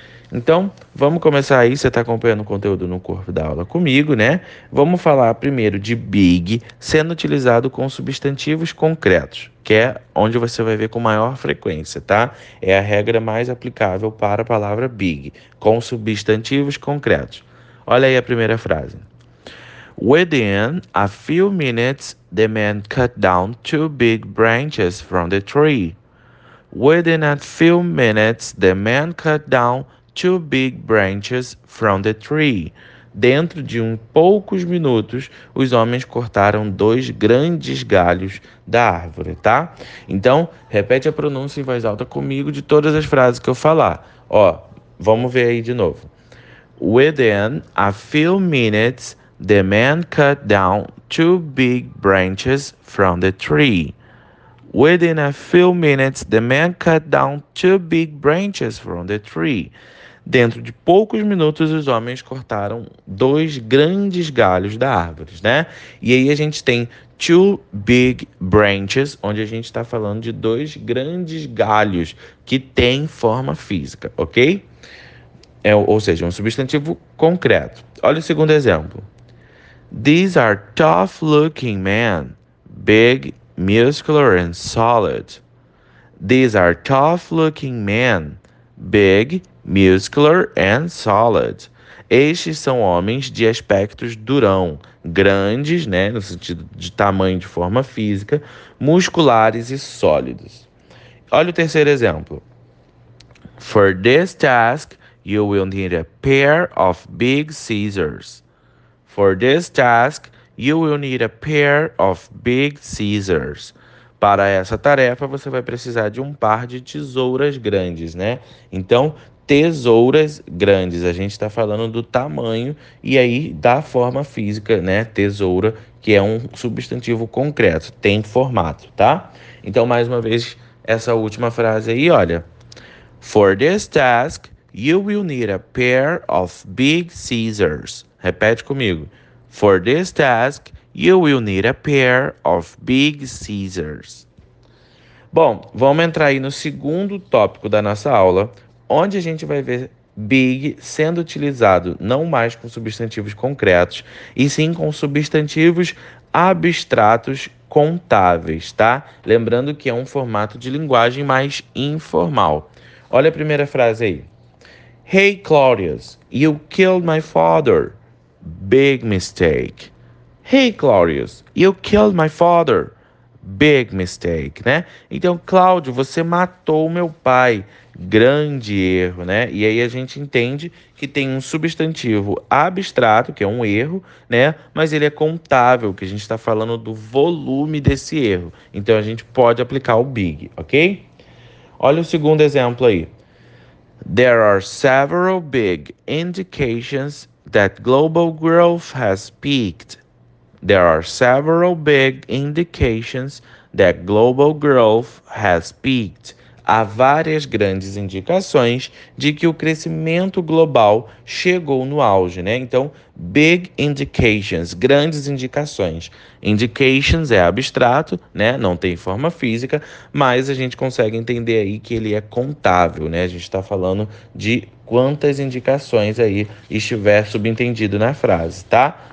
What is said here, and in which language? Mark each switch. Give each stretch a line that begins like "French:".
Portuguese: Então, vamos começar aí. Você está acompanhando o conteúdo no corpo da aula comigo, né? Vamos falar primeiro de big sendo utilizado com substantivos concretos, que é onde você vai ver com maior frequência, tá? É a regra mais aplicável para a palavra big, com substantivos concretos. Olha aí a primeira frase.
English: Within a few minutes, the man cut down two big branches from the tree. Within a few minutes, the man cut down two big branches from the tree.
Portuguese: Dentro de poucos minutos, os homens cortaram dois grandes galhos da árvore, tá? Então, repete a pronúncia em voz alta comigo de todas as frases que eu falar. Ó, vamos ver aí de novo.
English: Within a few minutes, the man cut down two big branches from the tree. Within a few minutes, the man cut down two big branches from the tree.
Portuguese: Dentro de poucos minutos, os homens cortaram dois grandes galhos da árvore, né? E aí a gente tem
English: two big branches,
Portuguese: onde a gente está falando de dois grandes galhos que têm forma física, ok? Ou seja, um substantivo concreto. Olha o segundo exemplo.
English: These are tough-looking men, big, muscular and solid. These are tough-looking men, big, muscular and solid.
Portuguese: Estes são homens de aspectos durão, grandes, né, no sentido de tamanho, de forma física, musculares e sólidos. Olha o terceiro exemplo.
English: For this task, you will need a pair of big scissors. For this task, you will need a pair of big scissors.
Portuguese: Para essa tarefa, você vai precisar de um par de tesouras grandes, né? Então, tesouras grandes, a gente está falando do tamanho e aí da forma física, né? Tesoura, que é um substantivo concreto, tem formato, tá? Então, mais uma vez, essa última frase aí, olha.
English: For this task, you will need a pair of big scissors.
Portuguese: Repete comigo.
English: For this task, you will need a pair of big scissors.
Portuguese: Bom, vamos entrar aí no segundo tópico da nossa aula, onde a gente vai ver big sendo utilizado não mais com substantivos concretos, e sim com substantivos abstratos contáveis, tá? Lembrando que é um formato de linguagem mais informal. Olha a primeira frase aí.
English: Hey, Claudius, you killed my father. Big mistake. Hey, Claudius, you killed my father. Big mistake,
Portuguese: né? Então, Cláudio, você matou meu pai. Grande erro, né? E aí a gente entende que tem um substantivo abstrato, que é um erro, né? Mas ele é contável, que a gente está falando do volume desse erro. Então, a gente pode aplicar o big, ok? Olha o segundo exemplo aí.
English: There are several big indications that global growth has peaked. There are several big indications that global growth has peaked.
Portuguese: Há várias grandes indicações de que o crescimento global chegou no auge, né? Então, big indications, grandes indicações. Indications é abstrato, né? Não tem forma física, mas a gente consegue entender aí que ele é contável, né? A gente está falando de quantas indicações aí estiver subentendido na frase, tá?